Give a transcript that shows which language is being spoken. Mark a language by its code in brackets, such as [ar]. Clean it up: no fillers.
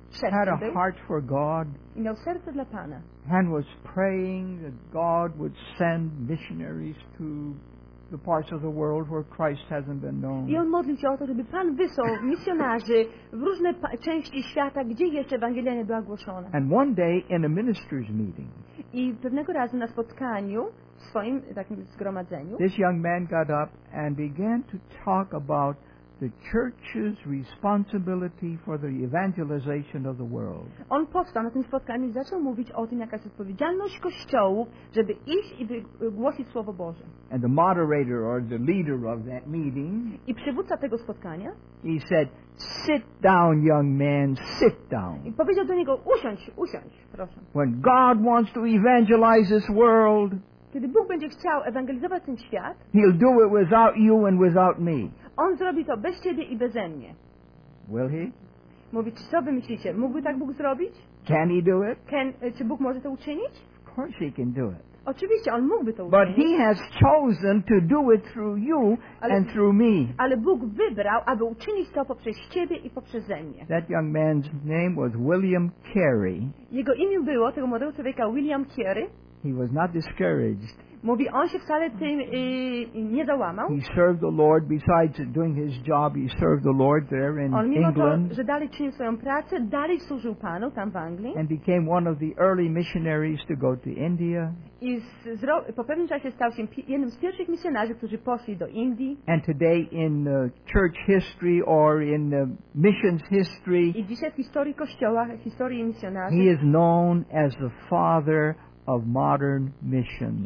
[en] Had a heart for God. [pl] Miał serce dla Pana. [en] And was praying that God would send missionaries to the parts of the world where Christ hasn't been known. [pl] I on modlił się o to, żeby Pan wysłał misjonarzy w różne części świata, gdzie jeszcze Ewangelia nie była głoszona. [en] And one day in a minister's meeting. [pl] I pewnego razu na spotkaniu w swoim takim zgromadzeniu. [en] This young man got up and began to talk about the church's responsibility for the evangelization of the world. [pl] On powstał na tym spotkaniu i zaczął mówić o tym, jaka jest odpowiedzialność kościołów, żeby iść i głosić słowo Boże. [en] And the moderator or the leader of that meeting. [pl] I przywódca tego spotkania. [en] He said, "Sit down, young man. Sit down." [pl] I powiedział do niego: "Usiądź, usiądź, proszę." [en] When God wants to evangelize this world. [pl] Kiedy Bóg będzie chciał ewangelizować ten świat, [en] He'll do it without you and without me. [pl] On zrobi to bez ciebie i beze mnie. [en] Will he? [pl] Mówi, czy co wy myślicie? Mógłby tak Bóg zrobić? [en] Can he do it? [pl] Czy Bóg może to uczynić? [en] Of course he can do it. [pl] Oczywiście, on mógłby to uczynić. [en] But he has chosen to do it through you and through me. [pl] Ale Bóg wybrał, aby uczynić to poprzez ciebie i poprzez mnie. [en] That young man's name was William Carey. [pl] Jego imię było, tego młodego człowieka, William Carey. [en] He was not discouraged. [pl] Mówi, on się wcale tym nie załamał. [en] He served the Lord besides doing his job. He served the Lord there in England. [pl] On mimo to, że dalej czynił swoją pracę, dalej służył Panu tam w Anglii. [en] And became one of the early missionaries to go to India. [pl] I po pewnym czasie stał się jednym z pierwszych misjonarzy, którzy poszli do Indii. [en] And today in the church history or in the missions history. [pl] I dzisiaj w historii kościoła, w historii misjonarzy. [en] He is known as the father of modern missions.